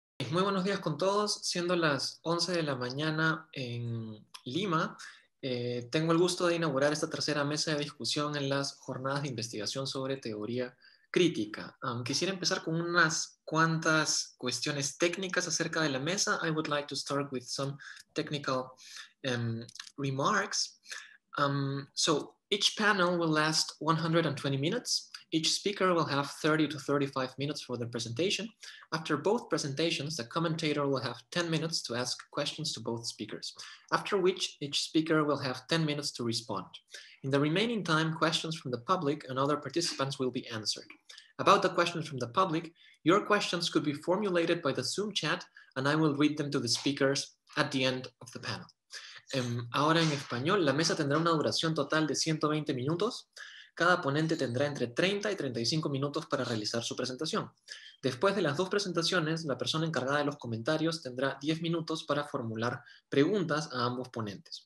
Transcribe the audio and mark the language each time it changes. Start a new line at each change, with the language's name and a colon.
Spanish: Muy buenos días con todos, siendo las 11 de la mañana en Lima, tengo el gusto de inaugurar esta tercera mesa de discusión en las jornadas de investigación sobre teoría crítica. Quisiera empezar con unas cuantas cuestiones técnicas acerca de la mesa.
English: I would like to start with some technical remarks. So each panel will last 120 minutes. Each speaker will have 30 to 35 minutes for the presentation. After both presentations, the commentator will have 10 minutes to ask questions to both speakers, after which each speaker will have 10 minutes to respond. In the remaining time, questions from the public and other participants will be answered. About the questions from the public, your questions could be formulated by the Zoom chat, and I will read them to the speakers at the end of the panel.
Spanish: Ahora en español, la mesa tendrá una duración total de 120 minutos. Cada ponente tendrá entre 30 y 35 minutos para realizar su presentación. Después de las dos presentaciones, la persona encargada de los comentarios tendrá 10 minutos para formular preguntas a ambos ponentes.